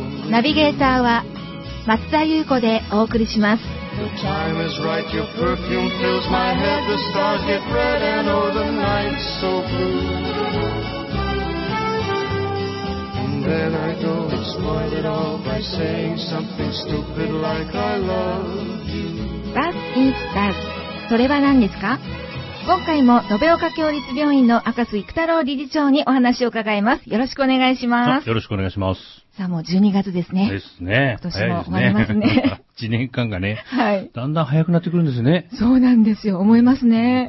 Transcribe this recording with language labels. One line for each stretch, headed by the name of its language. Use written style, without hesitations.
Japanese: ナビゲーターは松田優子でお送りします。
English: The time is right, your perfume fills my head, the stars get red and oh the night's so blue. And then I go and spoil it all by saying something stupid like I love you. What is that?
Japanese: それは何ですか? 今回も延岡共立病院の赤洲育太郎理事長にお話を伺います。よろしくお願いします。よろしくお願いします。さあもう12月ですね。ですね。今年も終わりますね。 1年間がね、はい、だんだん早くなってくるんですね。そうなんですよ。思いますね。